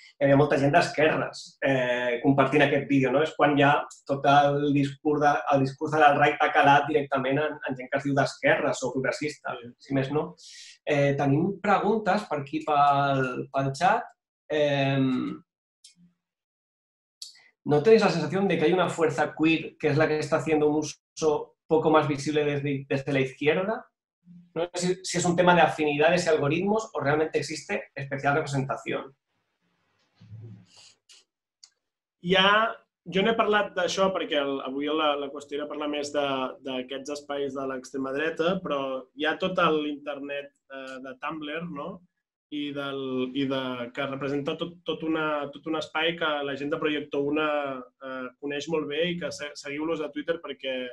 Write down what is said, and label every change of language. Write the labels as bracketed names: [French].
[Catalan] Hi havia molta gent d'esquerres compartint aquest vídeo, no? És quan ja tot el discurs del right ha calat directament en gent que es diu d'esquerres o progressista, si més no. Tenim preguntes per aquí pel xat. [Spanish] ¿No tenéis la sensación de que hay una fuerza queer que es la que está haciendo un uso poco más visible desde la izquierda? No sé si es un tema de afinidades y algoritmos o realmente existe especial representación. [Catalan] Ja, jo n'he parlat d'això perquè avui la qüestió era parlar més d'aquests espais de l'extrema dreta, però hi ha tot l'internet de Tumblr, no? Que representa tot un espai que la gent de Projecto Una coneix molt bé i que seguiu-los a Twitter perquè...